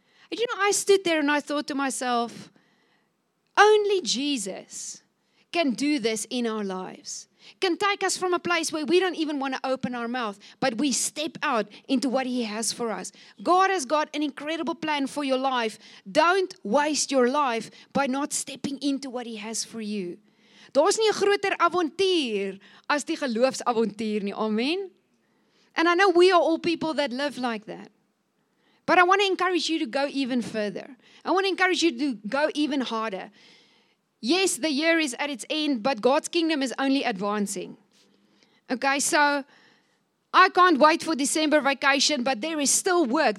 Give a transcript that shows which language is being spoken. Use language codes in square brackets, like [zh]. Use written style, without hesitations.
[en] And you know, I stood there and I thought to myself, only Jesus can do this in our lives. Can take us from a place where we don't even want to open our mouth, but we step out into what He has for us. God has got an incredible plan for your life. Don't waste your life by not stepping into what He has for you. [af] Daar's nie 'n groter avontuur as die geloofsavontuur nie. Amen. [en] And I know we are all people that live like that. But I want to encourage you to go even further. I want to encourage you to go even harder. Yes, the year is at its end, but God's kingdom is only advancing. Okay, so I can't wait for December vacation, but there is still work.